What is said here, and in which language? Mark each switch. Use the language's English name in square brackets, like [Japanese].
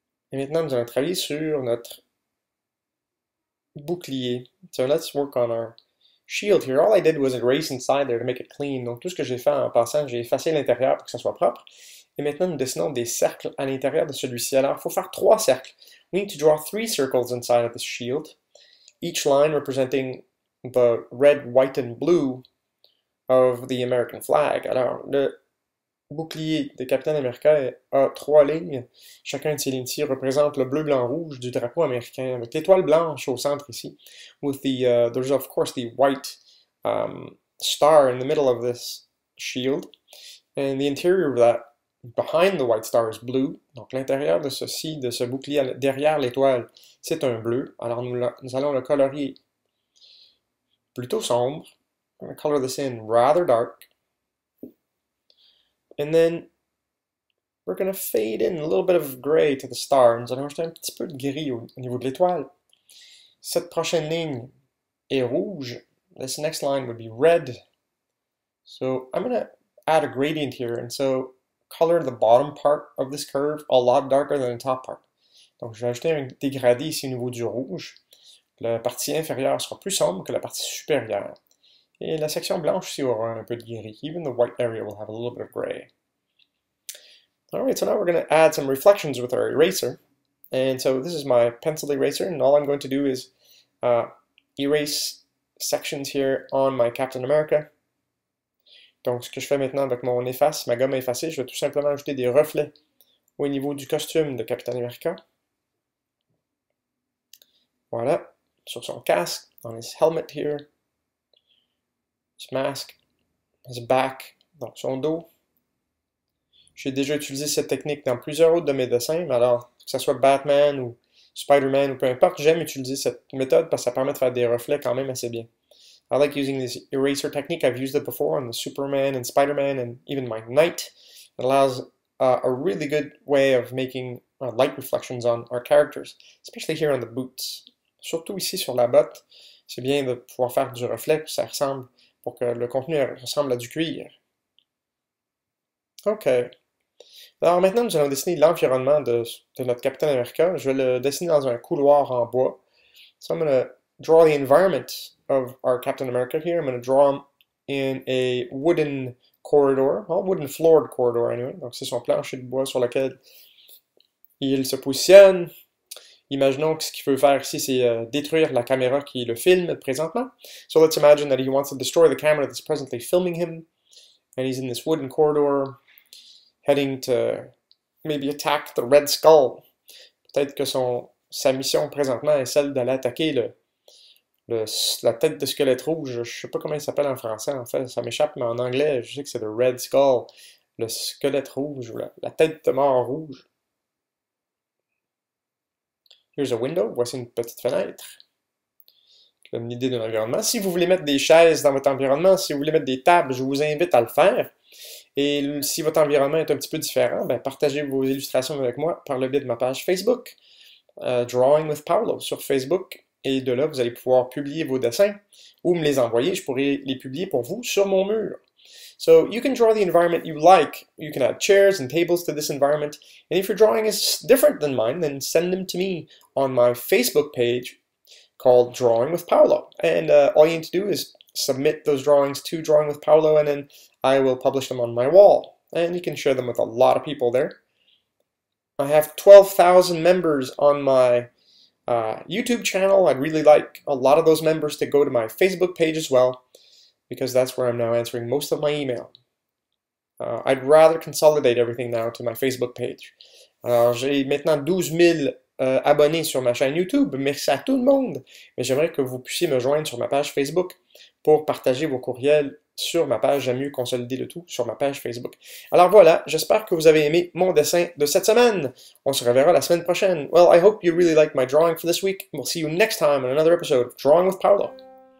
[French] Et maintenant, nous allons travailler sur notre bouclier. [English] So let's work on our Shield here, all I did was erase inside there to make it clean. [French] Donc tout ce que j'ai fait en passant, j'ai effacé l'intérieur pour que ça soit propre. Et maintenant, nous dessinons des cercles à l'intérieur de celui-ci. Alors, il faut faire trois cercles. [English] We need to draw three circles inside of this shield. Each line representing the red, white, and blue of the American flag. [French] Alors, le bouclier de Capitaine America a trois lignes. Chacun de ces lignes-ci représente le bleu, blanc, rouge du drapeau américain, avec l'étoile blanche au centre ici. [English] With the there's of course the white star in the middle of this shield, and the interior of that behind the white star is blue. [French] Donc l'intérieur de ceci, de ce bouclier derrière l'étoile, c'est un bleu. Alors nous allons le colorier plutôt sombre. [English] I'm gonna color this in rather dark. And then we're gonna fade in a little bit of gray to the star. [French] Nous allons ajouter un petit peu de gris au niveau de l'étoile. Cette prochaine ligne est rouge. [English] This next line would be red. So I'm gonna add a gradient here. And so color the bottom part of this curve a lot darker than the top part. [French] Donc je vais ajouter un dégradé ici au niveau du rouge. La partie inférieure sera plus sombre que la partie supérieure. Et la section blanche aussi aura un peu de gris. [English] Even the white area will have a little bit of gray. All right, so now we're going to add some reflections with our eraser. And so this is my pencil eraser, and all I'm going to do is erase sections here on my Captain America. [French] Donc ce que je fais maintenant avec mon efface, ma gomme effacée, je vais tout simplement ajouter des reflets au niveau du costume de Captain America. Voilà, sur son casque, [English] on his helmet here. Mask, his back, [French] donc son dos. J'ai déjà utilisé cette technique dans plusieurs autres de mes dessins, mais alors, que ce soit Batman ou Spider-Man ou peu importe, j'aime utiliser cette méthode parce que ça permet de faire des reflets quand même assez bien. [English] I like using this eraser technique. I've used it before on the Superman and Spider-Man and even my knight. It allows a really good way of making light reflections on our characters, especially here on the boots. [French] Surtout ici sur la botte, c'est bien de pouvoir faire du reflet pour que ça ressemble. Pour que le contenu ressemble à du cuir. OK. Alors maintenant, nous allons dessiner l'environnement de notre Capitaine America. Je vais le dessiner dans un couloir en bois. [English] So I'm going to draw the environment of our Captain America here. I'm going to draw him in a wooden corridor, a wooden floored corridor anyway. [French] Donc c'est son plancher de bois sur lequel il se positionne. Imaginons que ce qu'il veut faire ici, c'est détruire la caméra qui le filme présentement. [English] So let's imagine that he wants to destroy the camera that's presently filming him. And he's in this wooden corridor, heading to maybe attack the Red Skull. [French] Peut-être que sa mission présentement est celle d'aller attaquer la tête de squelette rouge. Je sais pas comment il s'appelle en français, en fait, ça m'échappe, mais en anglais, je sais que c'est le Red Skull, le squelette rouge ou la tête de mort rouge. [English] Here's a window. [French] Voici une petite fenêtre. C'est une idée de l'environnement. Si vous voulez mettre des chaises dans votre environnement, si vous voulez mettre des tables, je vous invite à le faire. Et si votre environnement est un petit peu différent, ben partagez vos illustrations avec moi par le biais de ma page Facebook, Drawing with Paolo sur Facebook. Et de là, vous allez pouvoir publier vos dessins ou me les envoyer. Je pourrai les publier pour vous sur mon mur. [English] So you can draw the environment you like. You can add chairs and tables to this environment. And if your drawing is different than mine, then send them to me on my Facebook page called Drawing with Paolo. And all you need to do is submit those drawings to Drawing with Paolo, and then I will publish them on my wall. And you can share them with a lot of people there. I have 12,000 members on my YouTube channel. I'd really like a lot of those members to go to my Facebook page as well. Because that's where I'm now answering most of my email. I'd rather consolidate everything now to my Facebook page. [French] Alors, j'ai maintenant 12 000 abonnés sur ma chaîne YouTube. Merci à tout le monde. Mais j'aimerais que vous puissiez me joindre sur ma page Facebook pour partager vos courriels sur ma page. J'aime mieux consolider le tout sur ma page Facebook. Alors voilà, j'espère que vous avez aimé mon dessin de cette semaine. On se reverra la semaine prochaine. [English] Well, I hope you really like my drawing for this week. We'll see you next time on another episode of Drawing with Paolo.